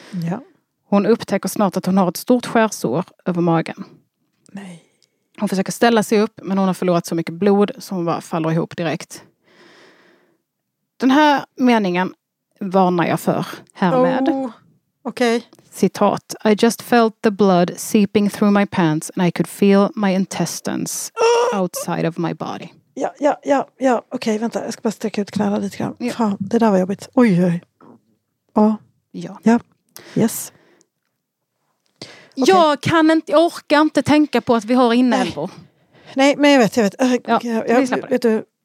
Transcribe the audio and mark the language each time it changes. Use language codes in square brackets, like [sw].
[sv] Ja. Hon upptäcker snart att hon har ett stort skärsår över magen. Nej. Hon försöker ställa sig upp, men hon har förlorat så mycket blod så hon bara faller ihop direkt. Den här meningen varnar jag för härmed. Oh, okay. Citat. [en] I just felt the blood seeping through my pants and I could feel my intestines outside of my body. [sv] Ja. Okej, vänta. Jag ska bara sträcka ut knäna lite grann. Ja. Fan, det där var jobbigt. Oj. Ja. Yes. Okay. Jag kan inte, jag orkar inte tänka på att vi har inälvor. Nej, men jag vet. Ja, vi släpper det.